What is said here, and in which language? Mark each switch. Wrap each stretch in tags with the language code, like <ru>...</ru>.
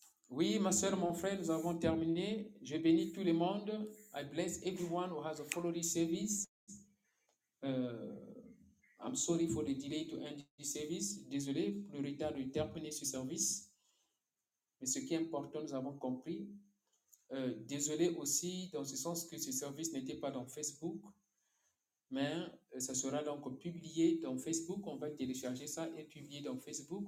<fr>Oui, ma soeur, mon frère, nous avons terminé. Je bénis tout le monde.</fr> <en>I bless everyone who has followed this service. I'm sorry for the delay to end this service.</en> <fr>Désolé pour le retard de terminer ce service. Mais ce qui est important, nous avons compris. Désolé aussi dans ce sens que ce service n'était pas dans Facebook. Mais ça sera donc publié dans Facebook. On va télécharger ça et publier dans Facebook.</fr>